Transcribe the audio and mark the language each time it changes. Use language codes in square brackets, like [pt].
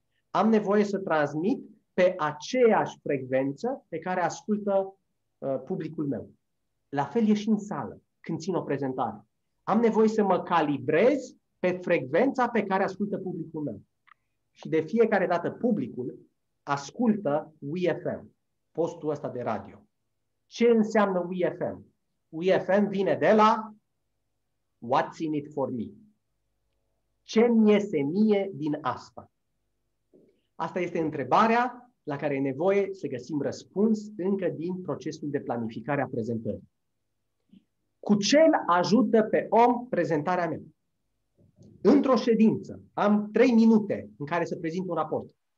[ro] Am nevoie să transmit pe aceeași frecvență pe care ascultă publicul meu. La fel e și în sală, când țin o prezentare. Am nevoie să mă calibrez pe frecvența pe care ascultă publicul meu. Și de fiecare dată publicul ascultă UFM, postul ăsta de radio. Ce înseamnă UFM? [en] UFM [ro] vine de la [en] What's in it for me? [ro] Ce-mi iese mie din asta? Asta este întrebarea la care e nevoie să găsim răspuns încă din procesul de planificare a prezentării. Cu ce ajută pe om prezentarea mea? Într-o ședință, am 3 minute în care să prezint un raport.